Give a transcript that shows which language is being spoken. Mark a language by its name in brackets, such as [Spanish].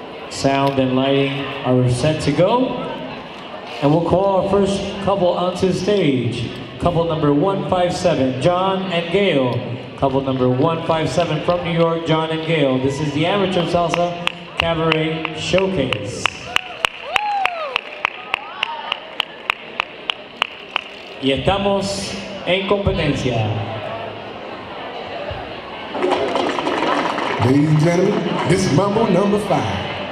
[English] sound and lighting are set to go. And we'll call our first couple onto the stage. Couple number 157, John and Gail. Couple number 157 from New York, John and Gail. This is the Amateur Salsa Cabaret Showcase. [Spanish] Y estamos en competencia. [English] Ladies and gentlemen, this is Mambo number 5.